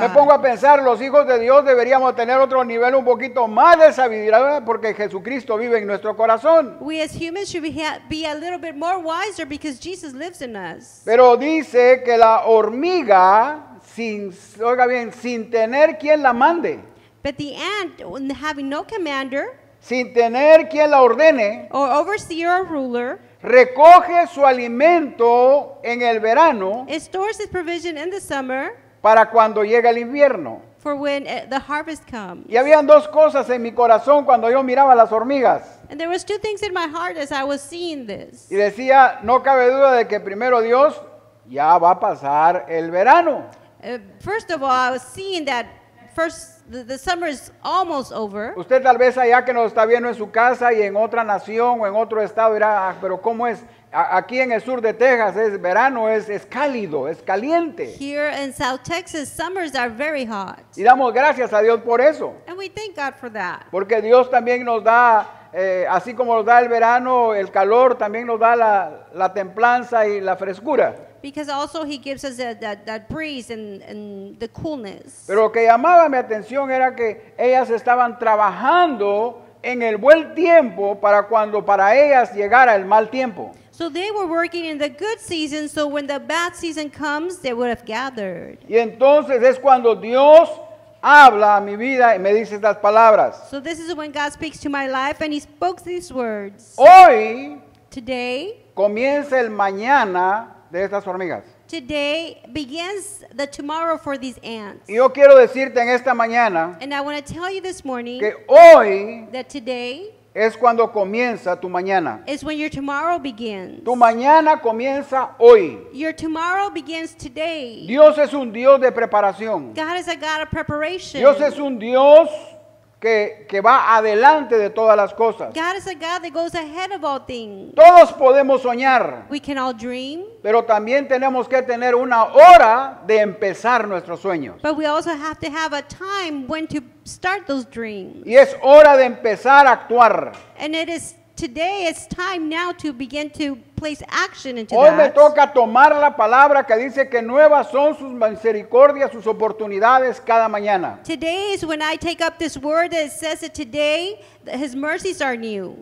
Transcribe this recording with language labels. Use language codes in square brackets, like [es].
[es] Me pongo a pensar, los hijos de Dios deberíamos tener otro nivel un poquito más de sabiduría, ¿verdad? Porque Jesucristo vive en nuestro corazón. [en] We as humans should be a little bit more wiser because Jesus lives in us. [es] Pero dice que la hormiga, sin tener quien la mande. [en] But the ant, having no commander, [es] sin tener quien la ordene, [en] or overseer or ruler, [es] recoge su alimento en el verano, [en] it stores its provision in the summer, [es] para cuando llega el invierno. [en] For when the harvest comes. [es] Y habían dos cosas en mi corazón cuando yo miraba las hormigas. [en] And there was two things in my heart as I was seeing this. [es] Y decía, no cabe duda de que primero Dios, ya va a pasar el verano. [en] First of all, I was seeing that the summer is almost over. [es] Usted tal vez allá que nos está viendo en su casa y en otra nación o en otro estado dirá, ah, pero ¿cómo es? Aquí en el sur de Texas es verano, es cálido, es caliente. [en] Here in South Texas, summers are very hot. [es] Y damos gracias a Dios por eso. [en] And we thank God for that. [es] Porque Dios también nos da, así como nos da el verano, el calor, también nos da la templanza y la frescura. [en] Because also he gives us that breeze and the coolness. [es] Pero lo que llamaba mi atención era que ellas estaban trabajando en el buen tiempo para cuando para ellas llegara el mal tiempo. [en] So they were working in the good season, so when the bad season comes, they would have gathered. [es] Y entonces es cuando Dios habla a mi vida y me dice estas palabras. [en] So this is when God speaks to my life and he spoke these words. [es] Hoy, [en] today, [es] comienza el mañana de estas hormigas. [en] Today begins the tomorrow for these ants. [es] Y yo quiero decirte en esta mañana, [en] and I want to tell you this morning, [es] que hoy, [en] that today, [es] es cuando comienza tu mañana. [en] Is when your tomorrow begins. [es] Tu mañana comienza hoy. [en] Your tomorrow begins today. [es] Dios es un Dios de preparación. [en] God is a God of preparation. [es] Dios es un Dios que va adelante de todas las cosas. [en] God is a God that goes ahead of all things. [es] Todos podemos soñar. [en] We can all dream. [es] Pero también tenemos que tener una hora de empezar nuestros sueños. [en] But we also have to have a time when to start those dreams. [es] Y es hora de empezar a actuar. [en] And it is today it's time now to begin to place action into that. [es] Hoy me toca tomar la palabra que dice que nuevas son sus misericordias, sus oportunidades cada mañana. [en] Today is when I take up this word that says that today his mercies are new.